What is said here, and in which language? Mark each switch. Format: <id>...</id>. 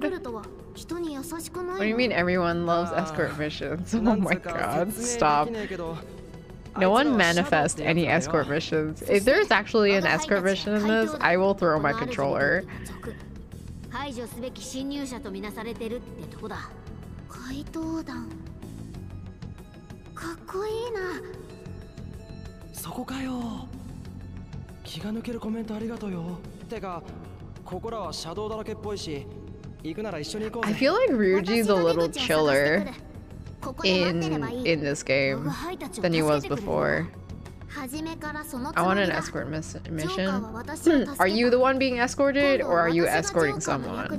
<en>What do you mean everyone loves escort missions? Oh my god, stop. No one manifest any escort missions. If there is actually an escort mission in this, I will throw my controller.</en> <ja>排除すべき侵入者とみなされてるってとこだ。怪盗団。かっこいいな。そこかよ。気が抜けるコメントありがとうよ。てか、ここらはシャドウだらけっぽいし、行くなら一緒に行こうぜ。</ja> <en>I feel like Ryuji's a little chiller in this game than he was before. I want an escort mission. Are you the one being escorted or are you escorting someone?</en>